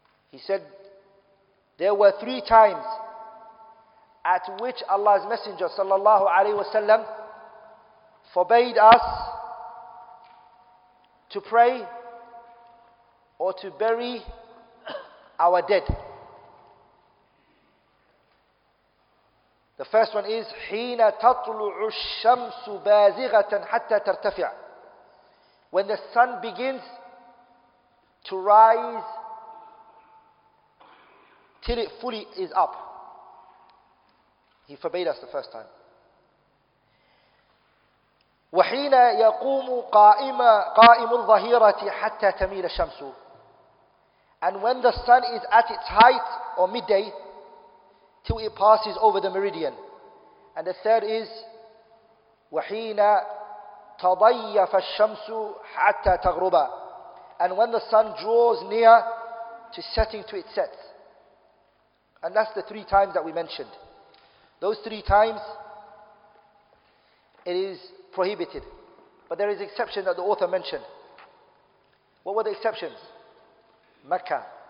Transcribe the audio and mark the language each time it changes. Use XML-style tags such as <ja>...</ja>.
<en>He said there were three times at which Allah's Messenger sallallahu alayhi wa sallam forbade us to pray or to bury our dead. The first one is</en> <ar>حين تطلع الشمس بازغة حتى ترتفع.</ar> <en>When the sun begins to rise till it fully is up. He forbade us the first time.</en> <ar>وحين يقوم قائم الظهيرة حتى تميل الشمس.</ar> <en>And when the sun is at its height or midday till it passes over the meridian. And the third is</en> <ar>وحين تضيف الشمس حتى تغرب.</ar> <en>And when the sun draws near to setting to its set. And that's the three times that we mentioned. Those three times it is prohibited. But there is an exception that the author mentioned. What were the exceptions? Mecca.</en>